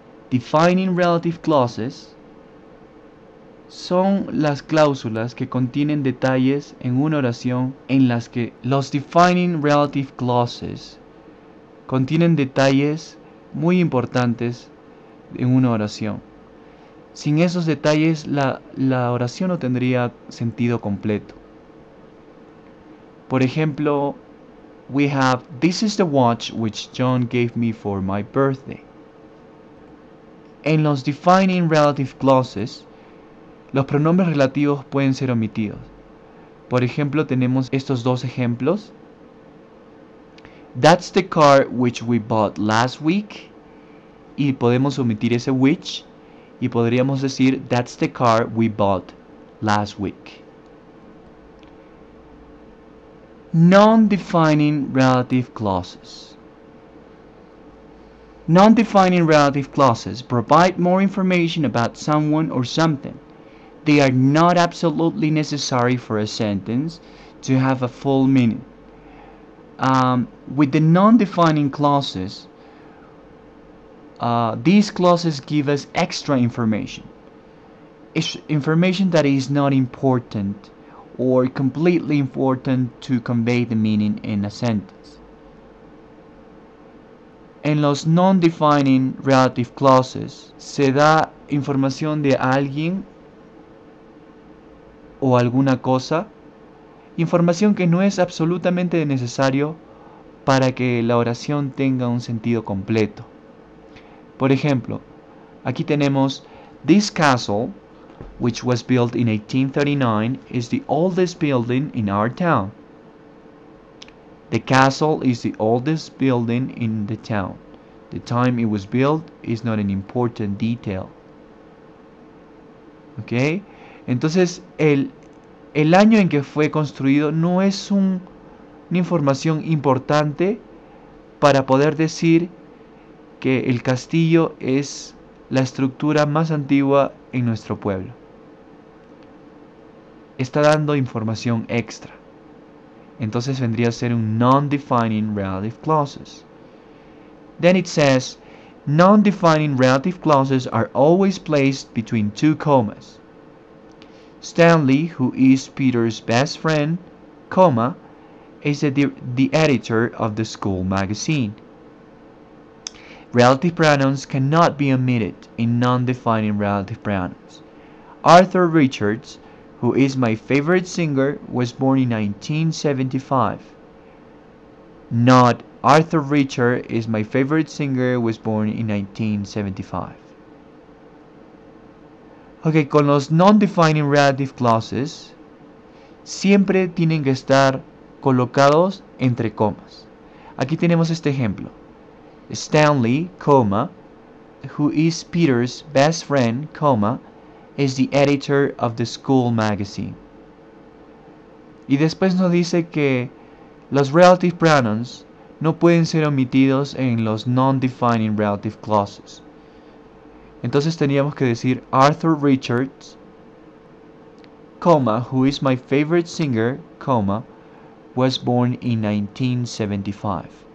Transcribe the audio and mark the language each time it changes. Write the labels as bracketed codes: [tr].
[es] Defining relative clauses son las cláusulas que contienen detalles en una oración en las que los defining relative clauses contienen detalles muy importantes en una oración. Sin esos detalles, la oración no tendría sentido completo. Por ejemplo, [en] we have, this is the watch which John gave me for my birthday. [es] En los defining relative clauses, los pronombres relativos pueden ser omitidos. Por ejemplo, tenemos estos dos ejemplos. [en] That's the car which we bought last week. [es] Y podemos omitir ese [en] which. [es] Y podríamos decir, [en] that's the car we bought last week. Non-defining relative clauses. Non-defining relative clauses provide more information about someone or something. They are not absolutely necessary for a sentence to have a full meaning. With the non-defining clauses, these clauses give us extra information. It's information that is not important or completely important to convey the meaning in a sentence. [es] En los non-defining relative clauses, se da información de alguien o alguna cosa, información que no es absolutamente necesario para que la oración tenga un sentido completo. Por ejemplo, aquí tenemos, [en] this castle, which was built in 1839, is the oldest building in our town. The castle is the oldest building in the town. The time it was built is not an important detail. Okay? [es] Entonces, el año en que fue construido no es una información importante para poder decir que el castillo es la estructura más antigua en nuestro pueblo. Está dando información extra. Entonces vendría a ser un non-defining relative clauses. [en] Then it says, non-defining relative clauses are always placed between two commas. Stanley, who is Peter's best friend, comma, is the editor of the school magazine. Relative pronouns cannot be omitted in non-defining relative pronouns. Arthur Richards, who is my favorite singer, was born in 1975. Not Arthur Richards is my favorite singer, was born in 1975. [es] Ok, con los non-defining relative clauses, siempre tienen que estar colocados entre comas. Aquí tenemos este ejemplo. [en] Stanley, comma, who is Peter's best friend, comma, is the editor of the school magazine. [es] Y después nos dice que los relative pronouns no pueden ser omitidos en los non-defining relative clauses. Entonces teníamos que decir, [en] Arthur Richards, comma, who is my favorite singer, comma, was born in 1975.